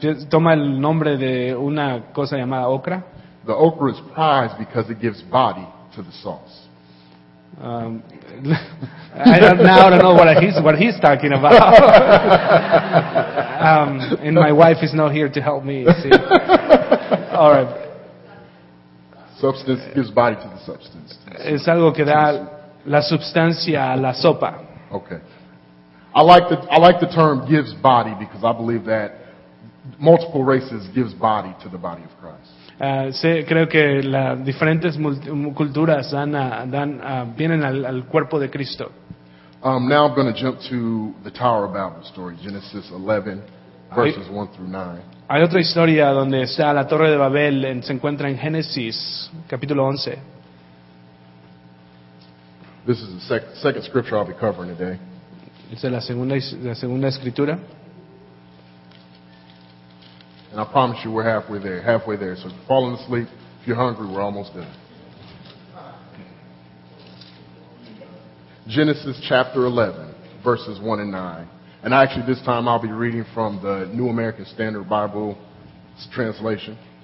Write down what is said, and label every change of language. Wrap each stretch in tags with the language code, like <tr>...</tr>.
<es>Toma el nombre de una cosa llamada okra.</es> <en>The okra is prized because it gives body to the sauce. I don't know what he's talking about. And my wife is not here to help me. See. All right. Substance gives body to the substance.</en> <es>Es algo que da la sustancia a la sopa.</es> <en>Okay. I like the term gives body because I believe that multiple races gives body to the body of Christ.</en> <es>Creo que las diferentes culturas vienen al cuerpo de Cristo.</es> <en>Now I'm going to jump to the Tower of Babel story, Genesis 11, verses 1 through 9.</en> <es>Hay otra historia donde está la Torre de Babel, se encuentra en Génesis, capítulo 11.</es> <en>This is the second scripture I'll be covering today.</en> <es>Esta es la segunda escritura.</es> <en>And I promise you we're halfway there. So if you're falling asleep, if you're hungry, we're almost there. Genesis chapter 11, verses 1 and 9. And actually this time I'll be reading from the New American Standard Bible translation.</en>